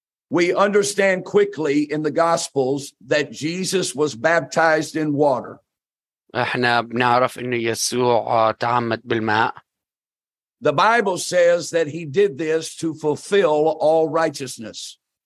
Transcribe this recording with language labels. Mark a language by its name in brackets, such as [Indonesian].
[English] we understand quickly in the Gospels that Jesus was baptized in water. [Arabic] احنا بنعرف انه يسوع تعمد بالماء. [English] The Bible says that he did this to fulfill all righteousness.